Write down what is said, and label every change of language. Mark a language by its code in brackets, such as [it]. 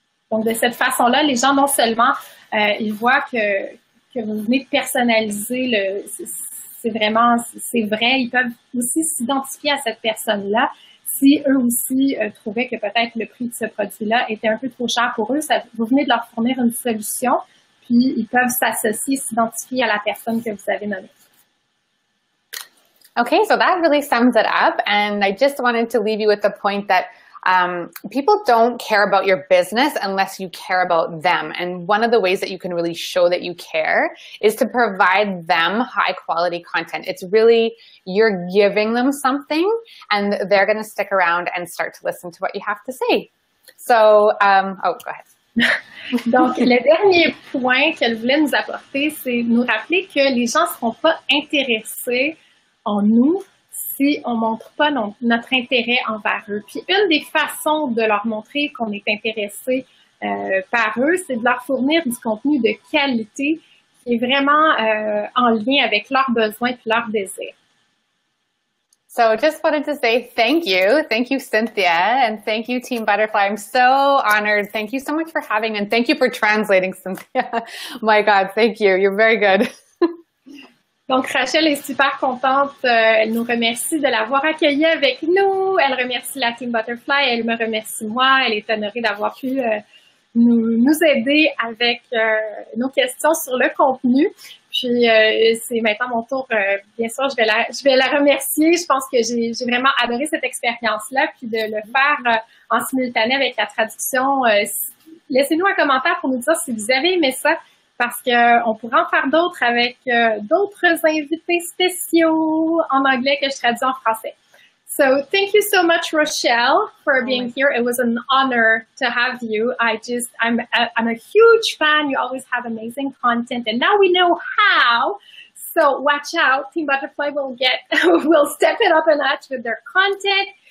[fr] Donc, de cette façon-là, les gens, non seulement ils voient que vous venez de personnaliser c'est vrai, ils peuvent aussi s'identifier à cette personne-là. Si eux aussi trouvaient que peut-être le prix de ce produit-là était un peu trop cher pour eux, vous venez de leur fournir une solution, puis ils peuvent s'associer, s'identifier à la personne que vous avez nommée. [en] Okay, so that really sums it up, and I just wanted to leave you with the point that people don't care about your business unless you care about them, and one of the ways that you can really show that you care is to provide them high quality content. It's really, you're giving them something, and they're going to stick around and start to listen to what you have to say. So, go ahead. [fr] Donc, le dernier point qu'elle voulait nous apporter, c'est nous rappeler que les gens ne seront pas intéressés en nous si on montre pas notre intérêt envers eux. Puis une des façons de leur montrer qu'on est intéressé par eux, c'est de leur fournir du contenu de qualité qui est vraiment en lien avec leurs besoins et leurs désirs. [en] So just wanted to say thank you Cynthia, and thank you Team Butterfly. I'm so honored. Thank you so much for having, and thank you for translating, Cynthia. My God, thank you. You're very good. [fr] Donc, Rachel est super contente. Elle nous remercie de l'avoir accueillie avec nous. Elle remercie la Team Butterfly. Elle me remercie, moi. Elle est honorée d'avoir pu nous aider avec nos questions sur le contenu. Puis, c'est maintenant mon tour. Bien sûr, je vais la remercier. Je pense que j'ai vraiment adoré cette expérience-là. Puis, de le faire en simultané avec la traduction. Laissez-nous un commentaire pour nous dire si vous avez aimé ça. Parce qu'on pourra en faire d'autres avec d'autres invités spéciaux en anglais que je traduis en français. [en] So, thank you so much, Rochelle, for being here. It was an honor to have you. I'm a huge fan. You always have amazing content. And now we know how. So, watch out. Team Butterfly will step it up a notch with their content.